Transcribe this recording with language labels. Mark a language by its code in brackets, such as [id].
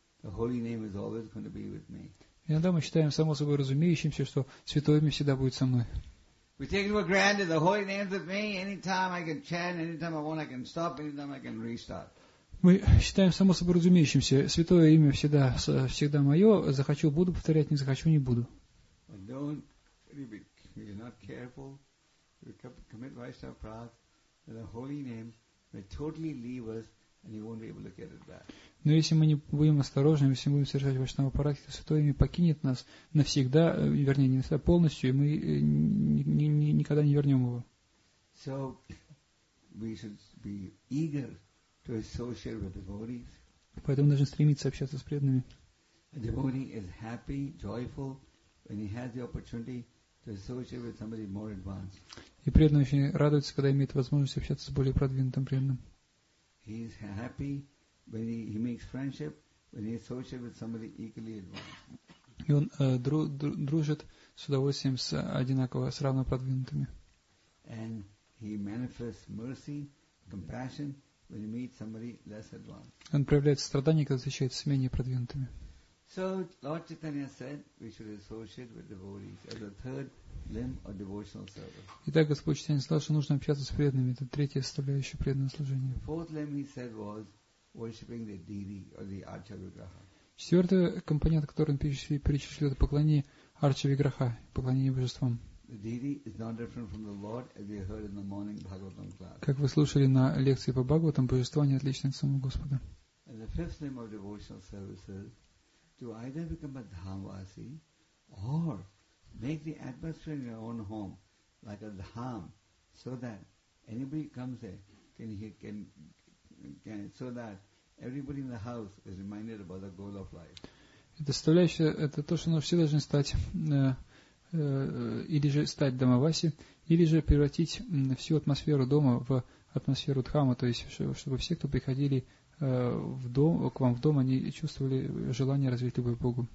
[ru] Иногда мы считаем само собой разумеющимся, что святое имя всегда будет со мной. Мы считаем само собой разумеющимся, святое имя всегда мое, захочу, буду повторять, не захочу, не буду. [en] If you're not careful, if you commit Vaishnava Prat, then the holy name may totally leave us and you won't be able to get it back. [ru] Но если мы не будем осторожны, если мы будем совершать Вайшнава Прат, то Святое Имя покинет нас навсегда, вернее, не навсегда, полностью, и мы никогда не вернем его. [en] So, we should be eager to associate with devotees. [ru] Поэтому мы должны стремиться общаться с преданными. [en] A devotee is happy, joyful, when he has the opportunity to associate with somebody more advanced. [ru] И преданный очень радуется, когда имеет возможность общаться с более продвинутым преданным. [en] He is happy when he makes friendship when he associates with somebody equally advanced. [ru] И он дружит с удовольствием с одинаково с равно продвинутыми. [en] And he manifests mercy, compassion when he meets somebody less advanced. [ru] Он проявляет сострадание, когда встречается с менее продвинутыми. [en] So Lord Chaitanya said we should associate with devotees as a third limb of devotional service. [ru] Итак, Господь Читания сказал, что нужно общаться с преданными. Это третья составляющая преданного служения. [en] The fourth limb he said was worshipping the deity or the Archa Vigraha. [ru] Четвертый компонент, который он перечислил, это поклонение Арча Виграха, поклонение божествам. [en] The deity is not different from the Lord as we heard in the morning Bhagavatam class. [ru] Как вы слушали на лекции по Бхагаватам, божества не отличны от самого Господа. [en] And the fifth limb of devotional service is to either become a dhamvasi or make the atmosphere in your own home like a dham, so that anybody comes there can so that everybody in the house is reminded about the goal of life. [ru] Это составляющая, это то, что мы все должны стать, или же стать Дамаваси, или же превратить всю атмосферу дома в атмосферу Дхамы, то есть чтобы все, кто приходили в дом, к вам в дом, они чувствовали желание развить любовь к Богу.